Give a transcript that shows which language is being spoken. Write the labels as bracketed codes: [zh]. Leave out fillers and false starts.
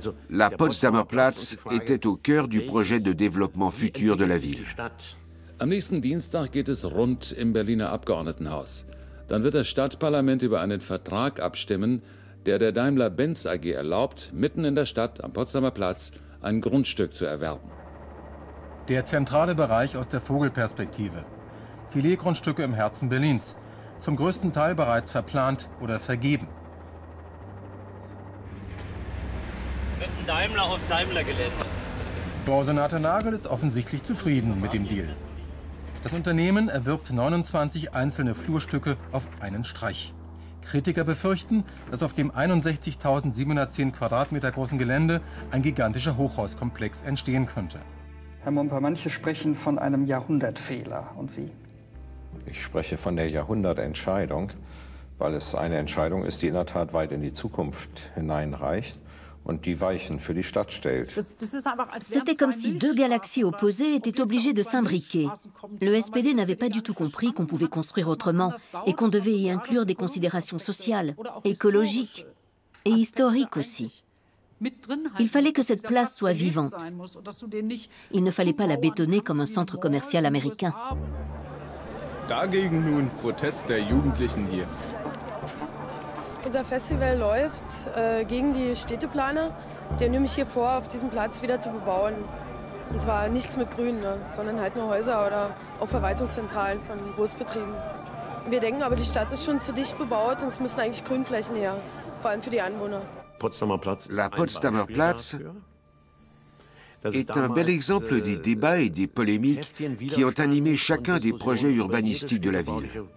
[fr] La Potsdamer Platz était au cœur du projet de développement futur de la ville. [de] Am nächsten Dienstag geht es rund im Berliner Abgeordnetenhaus. Dann wird das Stadtparlament über einen Vertrag abstimmen, der der Daimler-Benz AG erlaubt, mitten in der Stadt am Potsdamer Platz ein Grundstück zu erwerben. Der zentrale Bereich aus der Vogelperspektive. Filetgrundstücke im Herzen Berlins, zum größten Teil bereits verplant oder vergeben. Daimler aufs Daimler-Gelände. Borsenate Nagel ist offensichtlich zufrieden mit dem Deal. Das Unternehmen erwirbt 29 einzelne Flurstücke auf einen Streich. Kritiker befürchten, dass auf dem 61.710 Quadratmeter großen Gelände ein gigantischer Hochhauskomplex entstehen könnte. Herr Mumper, manche sprechen von einem Jahrhundertfehler. Und Sie? Ich spreche von der Jahrhundertentscheidung, weil es eine Entscheidung ist, die in der Tat weit in die Zukunft hineinreicht und die Weichen für die Stadt stellt. [fr] C'était comme si deux galaxies opposées étaient obligées de s'imbriquer. Le SPD n'avait pas du tout compris qu'on pouvait construire autrement et qu'on devait y inclure des considérations sociales, écologiques et historiques aussi. Il fallait que cette place soit vivante. Il ne fallait pas la bétonner comme un centre commercial américain. [de] Dagegen nun Protest der Jugendlichen hier. Unser Festival läuft gegen die Städteplaner. Der nimmt mich hier vor, auf diesem Platz wieder zu bebauen. Und zwar nichts mit Grün, ne? Sondern halt nur Häuser oder auch Verwaltungszentralen von Großbetrieben. Wir denken aber, die Stadt ist schon zu dicht bebaut und es müssen eigentlich Grünflächen her, vor allem für die Anwohner. [fr] La Potsdamer Platz est un bel exemple des débats et des polémiques qui ont animé chacun des projets urbanistiques de la ville.